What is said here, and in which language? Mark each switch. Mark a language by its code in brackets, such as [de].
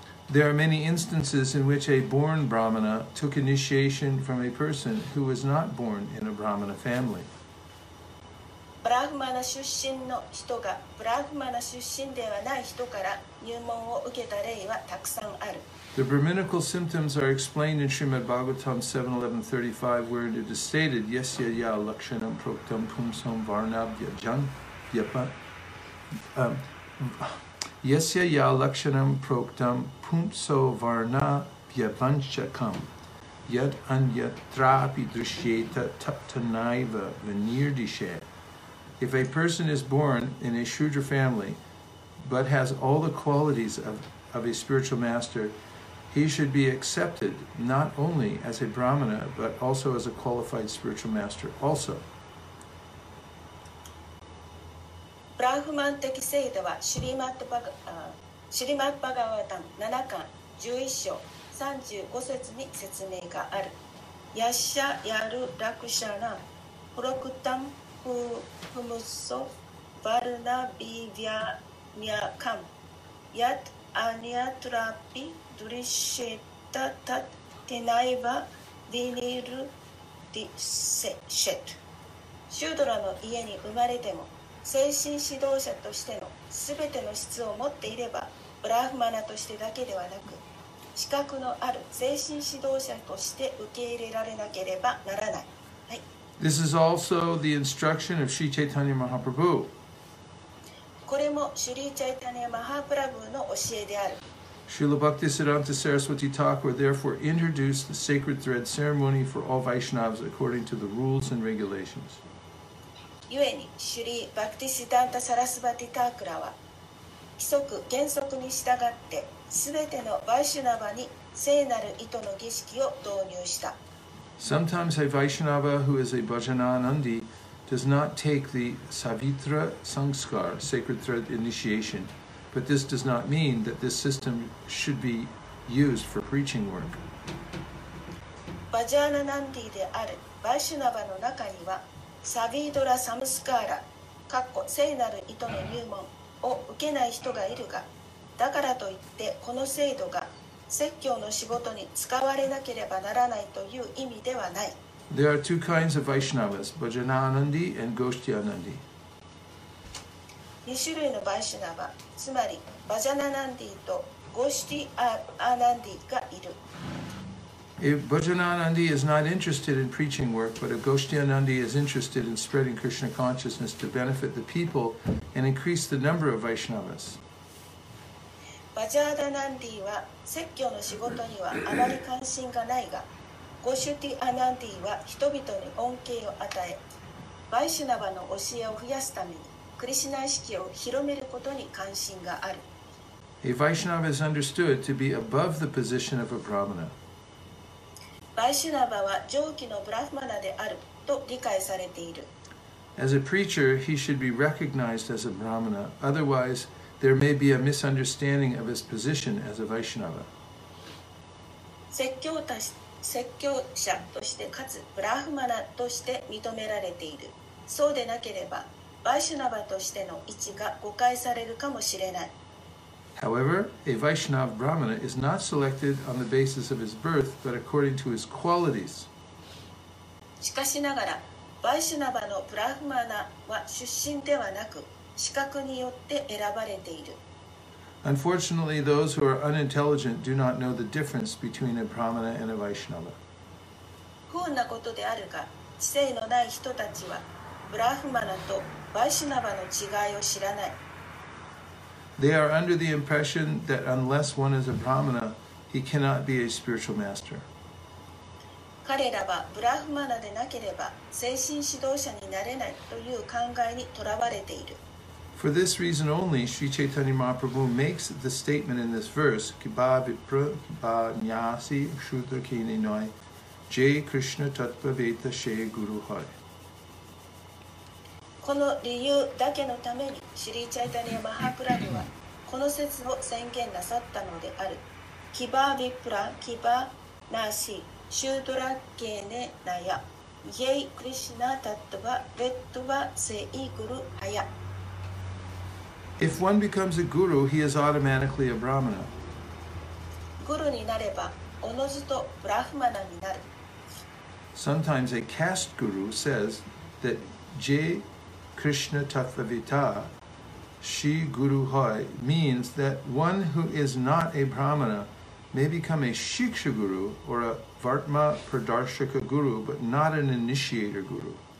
[en] There are many instances in which a born Brahmana took initiation from a person who was not born in a Brahmana family. [ja] ブラフマナ出身の人がブラフマナ出身ではない人から入門を受けた例はたくさんある。 [en] The Brahminical symptoms are explained in Srimad Bhagavatam 7.11.35 where it is stated [sa] Yasya ya lakshanam proktam pumsam varnabhya jan yapa Yasya ya lakshanam proktam pumso varna vyavanchakam yad anyatrapi drishyeta taptanaiva vinirdishe. [en] If a person is born in a Shudra family but has all the qualities of a spiritual master, he should be accepted not only as a Brahmana but also as a qualified spiritual master also. [ja] ブラフマン的聖者はシュリマットバガ、シュリマットバガワタン7巻11章35節に説明がある。 [sa] ヤッシャヤルラクシャナプロクタンプフムソバルナビヴィアニャカムヤッアニャトラピドリシェタタテナイバヴィニルディセシェット。 [ja] シュードラの家に生まれても精神指導者としてのすべての質を持っていれば、ブラフマナとしてだけではなく、資格のある精神指導者として受け入れられなければならない。はい。 [en] This is also the instruction of Sri Chaitanya Mahaprabhu. [ja] これもシュリー・チャイタニア・マハプラブーの教えである。 [en] Srila Bhaktisiddhanta Saraswati Thakur therefore introduced the sacred thread ceremony for all Vaishnavas according to the rules and regulations. [ja] ゆえにシュリー・バクティシダンタ・サラスバティ・タークラは規則・原則に従ってすべてのバイシュナバに聖なる意図の儀式を導入した。 [en] Sometimes a Vaishnava who is a Bhajananandi does not take the Savitra Sangskar, sacred thread initiation, but this does not mean that this system should be used for preaching work. [ja] バジャーナナンディであるバイシュナバの中にはサビードラサムスカーラ聖なる意図の入門を受けない人がいるが、だからといってこの制度が説教の仕事に使われなければならないという意味ではない。 [en] There are two kinds of Vaishnavas, Bhajananandi and Goshtiyanandi. [ja] 2種類のバイシュナバ、つまりバジャナナンディとゴシティアナンディがいる。 [en] If Bhajananandi is not interested in preaching work, but if Goshtiyanandi is interested in spreading Krishna consciousness to benefit the people and increase the number of Vaishnavas. [ja] Bhajananandi は説教の仕事にはあまり関心がないが、Goshtiyanandi は人々に恩恵を与え、Vaishnava の教えを増やすために、クリシナ意識を広めることに関心がある。 [en] A Vaishnava is understood to be above the position of a Brahmana. [ja] バイシュナバは上記のブラフマナであると理解されている。 [en] As a preacher, he should be recognized as a Brahmana. Otherwise, there may be a misunderstanding of his position as a Vaishnava. [ja] 説教者としてかつブラフマナとして認められている。そうでなければ、バイシュナバとしての位置が誤解されるかもしれない。 [en] However, a Vaishnava Brahmana is not selected on the basis of his birth, but according to his qualities. [ja] しかしながら、バイシュナバのブラフマナは出身ではなく、資格によって選ばれている。 [en] Unfortunately, those who are unintelligent do not know the difference between a Brahmana and a Vaishnava. [ja] 不運なことであるが、知性のない人たちは、ブラフマナとバイシュナバの違いを知らない。 [en] They are under the impression that unless one is a Brahmana, he cannot be a spiritual master. [ja] 彼らはブラフマナでなければ精神指導者になれないという考えにとらわれている。 [en] For this reason only, Sri Chaitanya Mahaprabhu makes the statement in this verse, [sa] Kibha vipra kibha nyasi shudra kene noi jay krishna tatpa veta shay guru hai. [ja] この理由だけのためにシリーチャイタニアマハプラブはこの説を宣言なさったのである。 [sa] キバービプラキバーナーシーシュードラッケーネナヤイエイクリシナタットバベットバセイグルハヤ。 [en] If one becomes a guru, he is automatically a brahmana. [ja] グルになれば、おのずとブラフマナになる。 [en] Sometimes a caste guru says that J. [sa] Krishna Tattvavita, Shri Guru Hoy, [en] means that one who is not a Brahmana may become a Shiksha Guru or a Vartma Pradarshaka Guru, but not an initiator guru.